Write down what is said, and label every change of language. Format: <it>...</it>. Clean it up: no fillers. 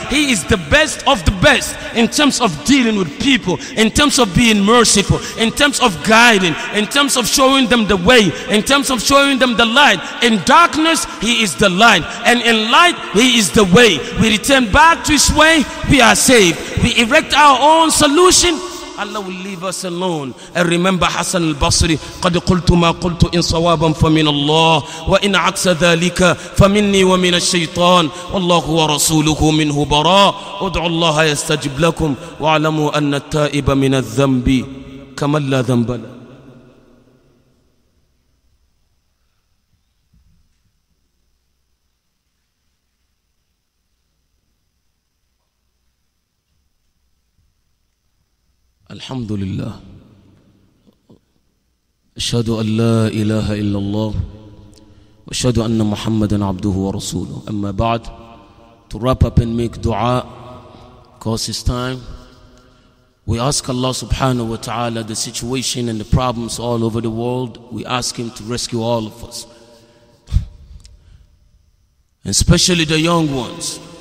<en>He is the best of the best in terms of dealing with people, in terms of being merciful, in terms of guiding, in terms of showing them the way, in terms of showing them the light. In darkness he is the light, and in light he is the way. We return back to his way, we are saved. We erect our own solution, Allah will leave us alone. And remember Hassan al-Basri,</en> <ar>قد قلت ما قلت إن صوابا فمن الله وإن عكس ذلك فمني ومن الشيطان والله ورسوله منه براء. ادعوا الله يستجب لكم واعلموا أن التائب من الذنب كمن لا ذنب له. الحمد لله, أشهد أن لا إله إلا الله وأشهد أن محمدا عبده ورسوله. أما بعد,</ar> <en>to wrap up and make دعاء, cause it's time, we ask Allah سبحانه وتعالى, the situation and the problems all over the world, we ask him to rescue all of us, especially the young ones.</en>